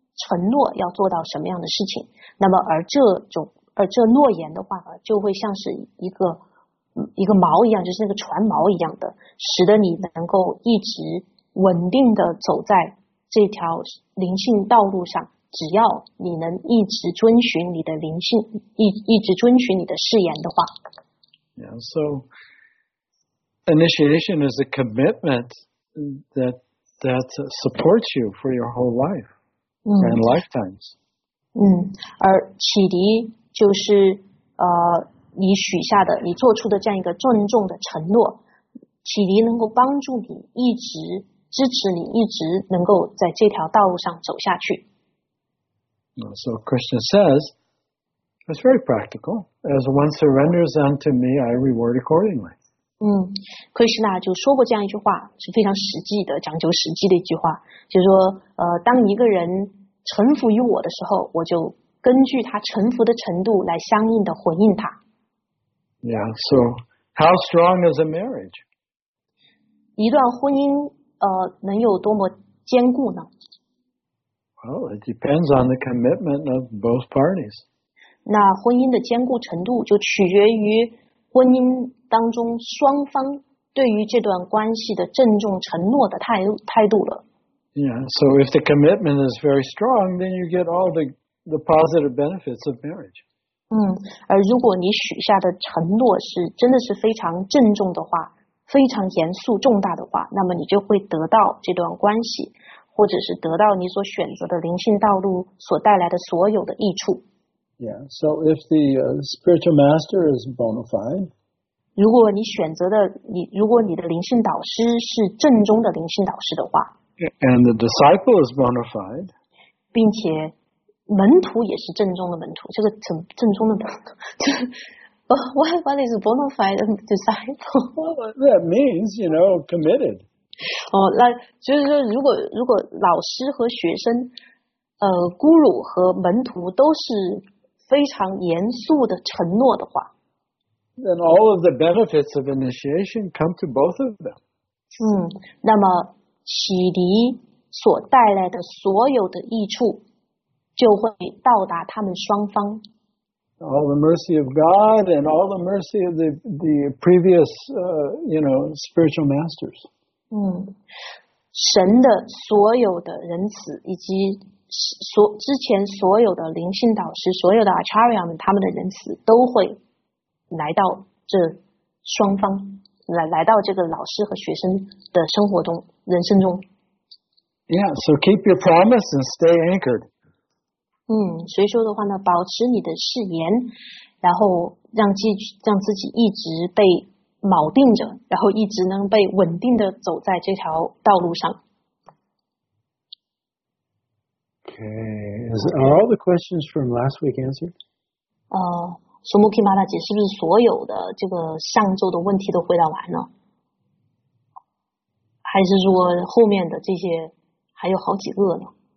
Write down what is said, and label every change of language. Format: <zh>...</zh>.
<zh>承诺要做到什么样的事情，那么而这诺言的话就会像是一个锚一样，就是那个船锚一样的，使得你能够一直稳定的走在这条灵性道路上，只要你能一直遵循你的灵性，一直遵循你的誓言的话。</zh> <en>Yeah, so initiation is a commitment that supports you for your whole life. And lifetimes.</en> <zh>而启迪就是你许下的，你做出的这样一个郑重的承诺。启迪能够帮助你一直支持你，一直能够在这条道路上走下去。</zh> <en>So Krishna says, it's very practical. As one surrenders unto me, I reward accordingly.</en> <zh>Krishna 就说过这样一句话，是非常实际的，讲究实际的一句话，就是说当一个人臣服于我的时候，我就根据他臣服的程度来相应的回应他。</zh> <en>Yeah, so how strong is a marriage?</en> <zh>一段婚姻能有多么坚固呢？</zh> <en>Well, it depends on the commitment of both parties.</en> <zh>那婚姻的坚固程度就取决于婚姻当中双方对于这段关系的郑重承诺的态度了。</zh> <en>Yeah, so if the commitment is very strong, then you get all the positive benefits of marriage.</en> <zh>而如果你许下的承诺是真的是非常郑重的话，非常严肃重大的话，那么你就会得到这段关系，或者是得到你所选择的灵性道路所带来的所有的益处。</zh> <en>Yeah, so if the spiritual master is bona fide,</en> <zh>如果你选择的你，如果你的灵性导师是正宗的灵性导师的话。</zh> <en>And the disciple is bona fide.</en> <zh>并且门徒也是正宗的门徒，这个正宗的门徒。</zh> <en>What is bona fide disciple? Well, that means, you know, committed.</en> <zh>那就是说如果老师和学生guru 和门徒都是非常严肃的承诺的话。</zh> <en>Then all of the benefits of initiation come to both of them.</en> <zh>那么启迪所带来的所有的益处就会到达他们双方。</zh> <en>All the mercy of God and all the mercy of the previous, you know, spiritual masters.</en> <zh>神的所有的仁慈以及之前所有的灵性导师，所有的 Acharya 们，他们的仁慈都会来到这双方。来到这个老师和学生的生活中，人生中。</zh> <en>Yeah, so keep your promise and stay anchored.</en> <zh>所以说的话呢，保持你的誓言，然后让自己一直被锚定着，然后一直能被稳定的走在这条道路上。</zh> <en>Okay, are all the questions from last week answered?</en> <zh>苏穆基玛拉姐，是不是所有的这个上周的问题都回答完了？还是说后面的这些还有好几个呢？</zh>